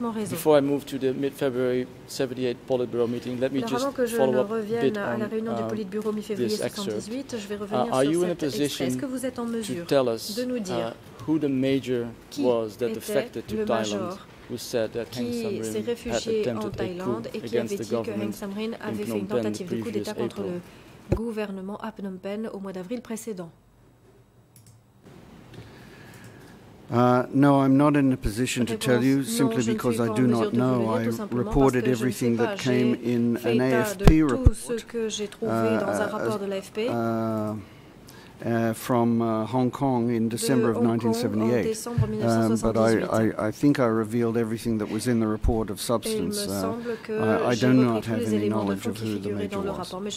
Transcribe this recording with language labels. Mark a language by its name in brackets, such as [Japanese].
[English] Before I move to the mid-February 78 Politburo meeting, let me just follow up a bit on this excerpt. Are you in a position to tell us who the major was that affected to Thailand? Who said that [French] qui s'est réfugié en Thaïlande et qui avait dit que Heng Samrin avait fait une tentative de coup d'État contre le gouvernement à Phnom Penh au mois d'avril précédent. [English] No, I'm not in a position to tell you simply because I do not know. I reported everything that came in an AFP report. [French] Tout ce que j'ai trouvé dans un rapport de l'AFP. [English] From Hong Kong in December of 1978, but I think I revealed everything that was in the report of substance. I do not have any knowledge of who the major was.